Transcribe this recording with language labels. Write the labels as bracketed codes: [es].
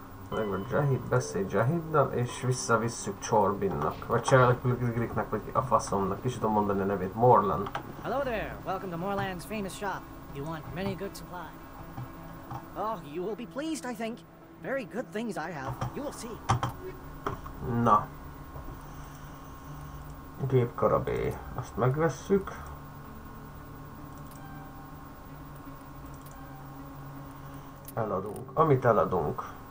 [hu] Meg van Jaheed, beszélj Jaheeddal, és visszavisszük Chorbinnak, vagy Csalliknek, vagy a faszomnak. Ki tudom mondani a nevét, Morlan. [en] Hello there, welcome to Morlan's famous shop. You want many good supplies. Oh, you will be pleased, I think. Very good things I have, you will see. [hu] Na. Gépkarabé, azt megvesszük. Eladunk, amit eladunk.